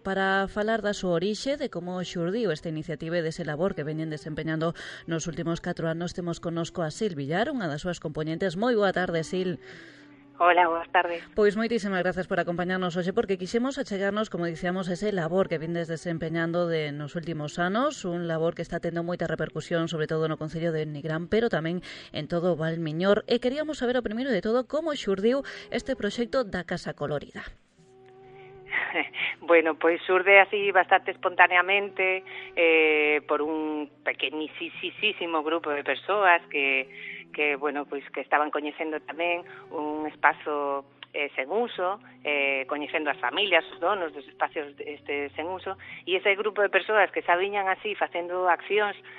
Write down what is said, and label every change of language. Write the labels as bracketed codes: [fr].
[gl] Para falar da súa orixe, de como xurdiu esta iniciativa e dese labor que veñen desempeñando nos últimos 4 anos, temos conosco a Sil Villar, unha das súas componentes. Moi boa tarde, Sil. [es] Hola, buenas tardes. Pues muchísimas gracias por acompañarnos hoy, porque quisimos [gl] achegarnos, [es] como decíamos, a ese labor que vienes desempeñando de los últimos años, un labor que está teniendo mucha repercusión, sobre todo en el Concello de Nigrán, pero también en todo Valmiñor. Y queríamos saber, lo primero de todo, cómo [gl] xurdiu [es] este proyecto [gl] da [es] Casa Colorida. [gl] Bueno, pues xurde así bastante espontáneamente por un pequeñísimo grupo de personas que bueno, pues que estaban coñecendo tamén un espazo sen uso, coñecendo as familias, os donos dos espacios este sen uso, e ese grupo de persoas que xa viñan así facendo accións